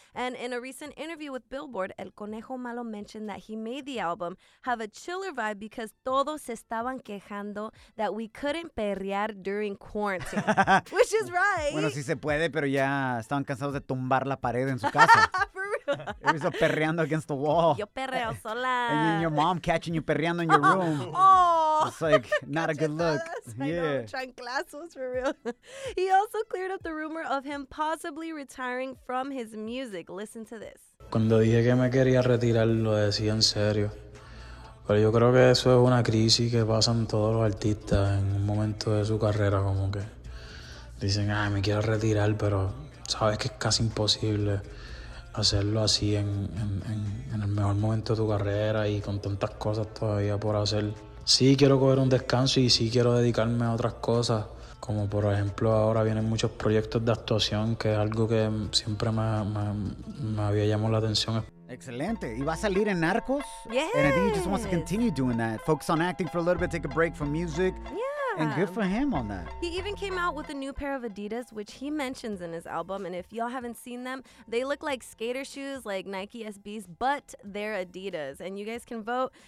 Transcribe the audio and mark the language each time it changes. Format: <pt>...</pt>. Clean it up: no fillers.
<en>And in a recent interview with Billboard, El Conejo Malo mentioned that he made the album have a chiller vibe because</en> <es>todos estaban quejando</es> <en>that we couldn't perrear during quarantine. Which is right.</en> <es>Bueno, sí se puede, pero ya estaban cansados de tumbar la pared en su casa.</es> <en>It was a perreando against the wall.</en> <es>Yo perreo sola.</es> <en>And then your mom catching you perreando in your room. Oh, it's like not a good look. Yeah. I know. Chanclazos for real. He also cleared up the rumor of him possibly retiring from his music. Listen to this.</en> <es>Cuando dije que me quería retirar, lo decía en serio. Pero yo creo que eso es una crisis que pasan todos los artistas en un momento de su carrera, como que dicen, ay, me quiero retirar, pero sabes que es casi imposible. Hacerlo así en el mejor momento de tu carrera y con tantas cosas todavía por hacer. Sí quiero coger un descanso y sí quiero dedicarme a otras cosas. Como por ejemplo ahora vienen muchos proyectos de actuación, que es algo que siempre me había llamado la atención. Excelente. ¿Y va a salir en Narcos?</es> <en>Yes. And I think he just wants to continue doing that. Focus on acting for a little bit, take a break from music. Yeah. And good for him on that. He even came out with a new pair of Adidas, which he mentions in his album. And if y'all haven't seen them, they look like skater shoes, like Nike SBs, but they're Adidas. And you guys can vote.</en>